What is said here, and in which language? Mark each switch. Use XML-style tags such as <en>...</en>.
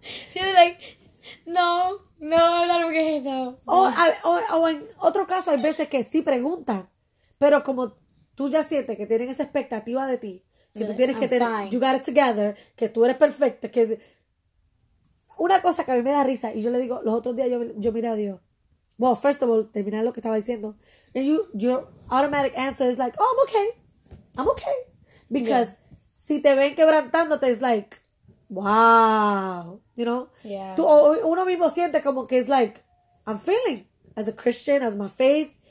<en>She was like, No, I'm not okay, no.</en> <es>O en otro caso, hay veces que sí preguntan, pero como tú ya sientes que tienen esa expectativa de ti, que tú tienes que tener,</es> <en>you got it together,</en> <es>que tú eres perfecta, que una cosa que a mí me da risa, y yo le digo, los otros días yo miré a Dios.</es> <en>Well, first of all,</en> <es>terminar lo que estaba diciendo.</es> <en>And your automatic answer is like, oh, I'm okay. I'm okay. Because yeah.</en> <es>Si te ven quebrantándote,</es> <en>it's like, wow. You know? Yeah.</en> <es>Uno mismo siente como que</es> <en>it's like, I'm feeling as a Christian, as my faith.</en>